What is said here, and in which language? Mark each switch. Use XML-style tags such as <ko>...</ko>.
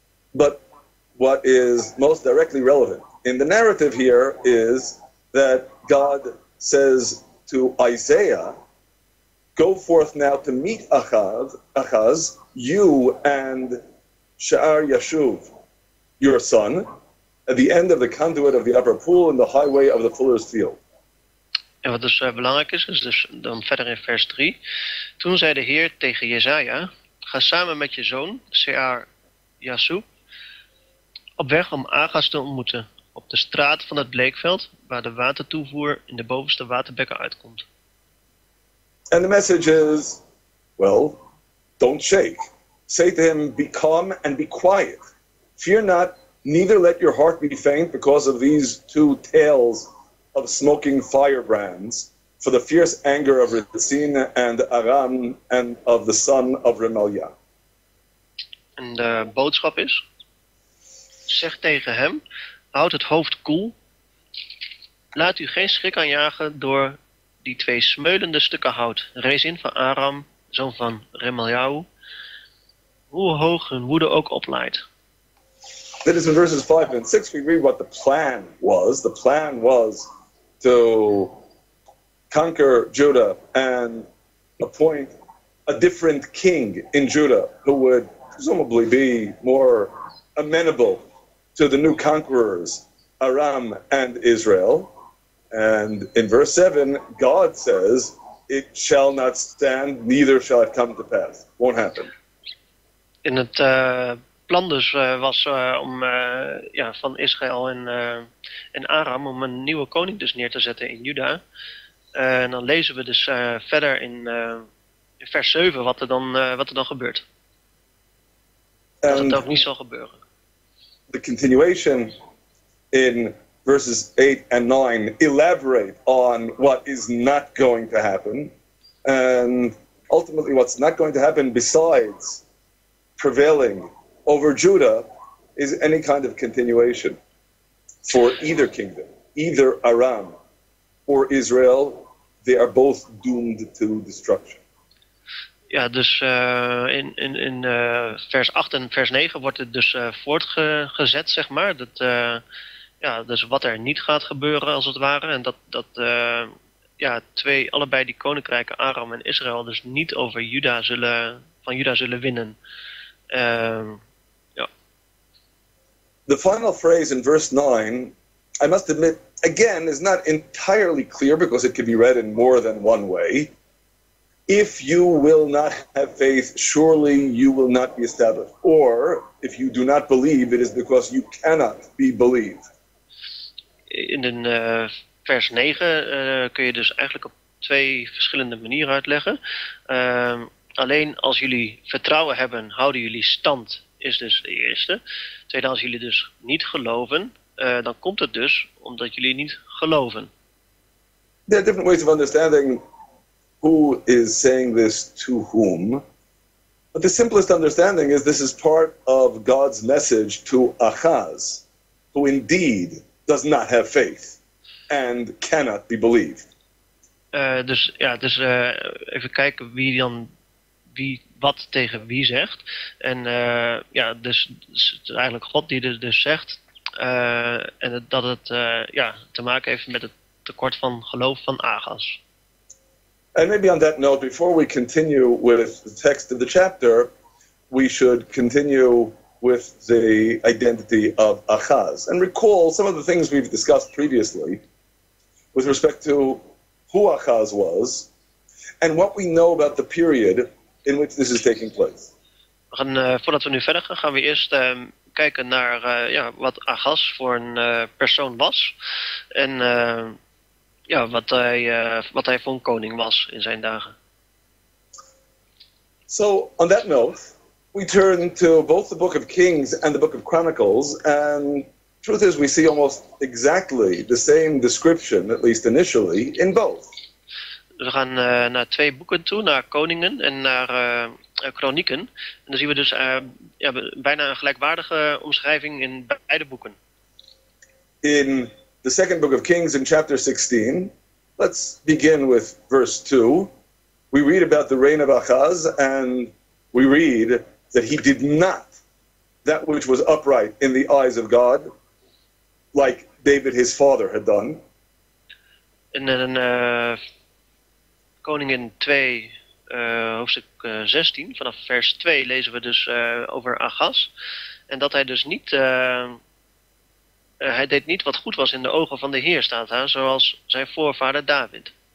<en>But what is most directly relevant in the narrative here is that God says to Isaiah, go forth now to meet Achaz, you and Sha'ar Yashuv, your son, at the end of the conduit of the upper pool in the highway of the fuller's field.</en> <nl>En wat dus belangrijk is dus dan verder in vers 3. Toen zei de Heer tegen Jesaja, ga samen met je zoon, Sear Yasub, op weg om Agas te ontmoeten, op de straat van het bleekveld, waar de watertoevoer in de bovenste waterbekken uitkomt.</nl> <en>And the message is, well, don't shake. Say to him, be calm and be quiet. Fear not, neither let your heart be faint because of these two tales of smoking firebrands, for the fierce anger of Rezin and Aram and of the son of Remalia.</en> <nl>En de boodschap is, zeg tegen hem, houd het hoofd koel, laat u geen schrik aanjagen door die twee smeulende stukken hout, Rezin van Aram, zoon van Remalia, hoe hoog hun woede ook oplaait.</nl> <en>That is in verses 5 and 6, we read what the plan was. The plan was to conquer Judah and appoint a different king in Judah who would presumably be more amenable to the new conquerors, Aram and Israel. And in verse 7, God says, it shall not stand, neither shall it come to pass. Won't happen.</en> <nl>In het plan dus was om van Israël en Aram om een nieuwe koning dus neer te zetten in Juda. En dan lezen we dus verder in vers 7 wat er dan gebeurt. Dat het ook niet zal gebeuren.</nl> <en>The continuation in verses 8 and 9 elaborate on what is not going to happen. And ultimately what's not going to happen besides prevailing over Judah is any kind of continuation for either kingdom, either Aram or Israel. They are both doomed to destruction.</en> <nl>Ja, dus in vers 8 en vers 9 wordt het dus voortgezet, zeg maar. Dat, dus wat er niet gaat gebeuren, als het ware. En dat twee, allebei die koninkrijken, Aram en Israël, dus niet over Juda zullen winnen.</nl> <en>The final phrase in verse 9, I must admit, again, is not entirely clear because it can be read in more than one way. If you will not have faith, surely you will not be established. Or, if you do not believe, it is because you cannot be believed.</en> <nl>In vers 9 kun je dus eigenlijk op twee verschillende manieren uitleggen. Alleen als jullie vertrouwen hebben, houden jullie stand, is dus de eerste. Tweede, als jullie dus niet geloven, dan komt het dus omdat jullie niet geloven.</nl> <en>There are different ways of understanding who is saying this to whom. But the simplest understanding is this is part of God's message to Ahaz, who indeed does not have faith and cannot be believed.</en> <nl>Even kijken wie dan wie wat tegen wie zegt. En het is eigenlijk God die dit dus zegt. En dat het te maken heeft met het tekort van geloof van Ahaz.</nl> <en>And maybe on that note, before we continue with the text of the chapter, we should continue with the identity of Ahaz and recall some of the things we've discussed previously with respect to who Ahaz was and what we know about the period in which this is taking place.</en> <nl>Voordat we nu verder gaan, gaan we eerst kijken naar wat Ahaz voor een persoon was en wat hij voor een koning was in zijn dagen.</nl> <en>So, on that note, we turn to both the Book of Kings and the Book of Chronicles, and truth is, we see almost exactly the same description, at least initially, in both.</en> <nl>We gaan naar twee boeken toe, naar Koningen en naar Kronieken. En dan zien we dus bijna een gelijkwaardige omschrijving in beide boeken.</nl> <en>In the second book of Kings in chapter 16, let's begin with verse 2. We read about the reign of Ahaz, and we read that he did not that which was upright in the eyes of God, like David his father had done. And then</en> <nl>Koningin 2, hoofdstuk 16, vanaf vers 2 lezen we dus over Ahaz. En dat hij dus niet... hij deed niet wat goed was in de ogen van de Heer, staat daar, zoals zijn voorvader David.</nl>